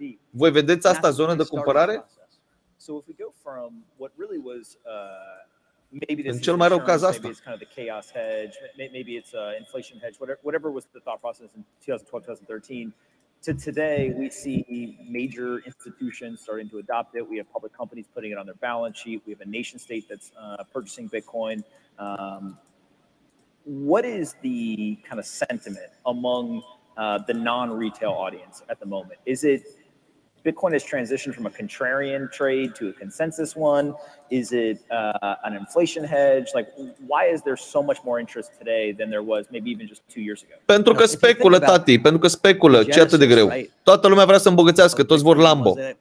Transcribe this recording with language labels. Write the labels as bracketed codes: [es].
[ro] Voi vedeți asta zonă de cumpărare? [en] So if we go from what really was maybe this. [ro] În cel mai rău caz asta. [en] It's kind of the chaos hedge, maybe it's an inflation hedge, whatever was the thought process in 2012-2013. To today we see major institutions starting to adopt it. We have public companies putting it on their balance sheet. We have a nation state that's purchasing Bitcoin. What is the kind of sentiment among the non-retail audience at the moment? Is it Bitcoin has transitioned from a contrarian trade to a consensus one? Is it an inflation hedge? Like, why is there so much more interest today than there was maybe even just 2 years ago? [ro] Pentru că speculă, tati, pentru că speculă, ce atât de greu? Toată lumea vrea să îmbogățească, toți vor Lambo.